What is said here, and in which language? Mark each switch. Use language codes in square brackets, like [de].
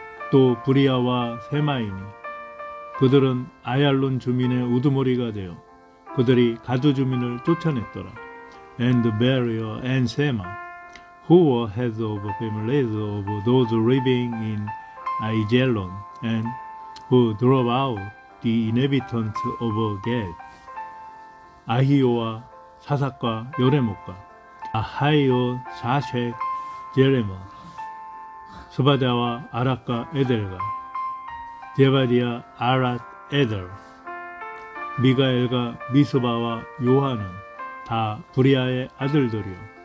[ko] 또 브리아와 세마이니 그들은 아얄론 주민의 우두머리가 되어 그들이 가드 주민을 쫓아냈더라. [en] And Beria and Sema, who were heads of families of those living in Aijalon, and who drove out the inhabitants of Gath. [ko] 아히오와 사삭과 요레못과 아하이오, 사쉑, 제레못, 스바다와 아락과 에델과 제바디아, 아랏, 에델, 미가엘과 미스바와 요한은 다 브리아의 아들들이요.